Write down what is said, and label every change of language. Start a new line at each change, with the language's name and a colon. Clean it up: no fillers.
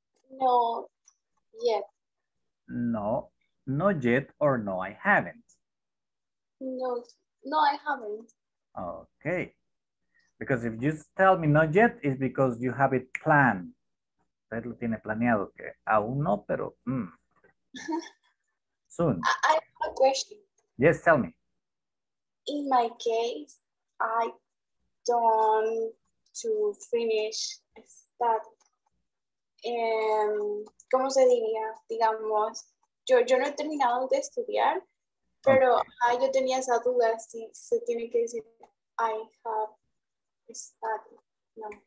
English: No, yet. No. Not yet, or no, I haven't. No, I haven't. Okay. Because if you tell me not yet, it's because you have it planned.
Spanish: Usted lo tiene planeado que aún no, pero soon.
English: I have a question. Yes, tell me. In my case, I don't to finish that.
Spanish: ¿Cómo se diría? Digamos. Yo no he terminado de estudiar, pero okay. Yo tenía esa duda, si se tiene que decir,
English: I have studied,
Spanish: no.